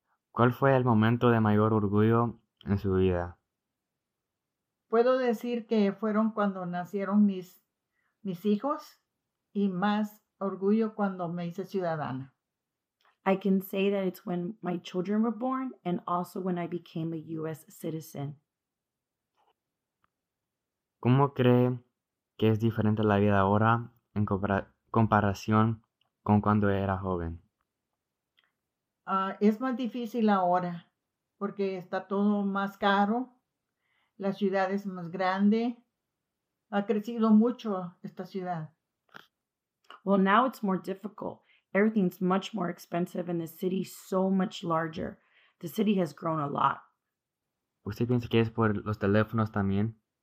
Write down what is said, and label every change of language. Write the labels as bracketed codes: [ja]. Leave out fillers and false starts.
[es] ¿Cuál fue el momento de mayor orgullo en su vida? Puedo decir que fueron cuando nacieron mis hijos y más orgullo cuando me hice ciudadana. [en] I can say that it's when my children were born and also when I became a U.S. citizen. [es] ¿Cómo cree que es diferente la vida ahora en comparación con cuando era joven? Es más difícil ahora porque está todo más caro. La ciudad es más grande. Ha crecido mucho esta ciudad. [en] Well, now it's more difficult. Everything's much more expensive and the city's so much larger. The city has grown a lot. [es] ¿Usted piensa que es por los teléfonos también?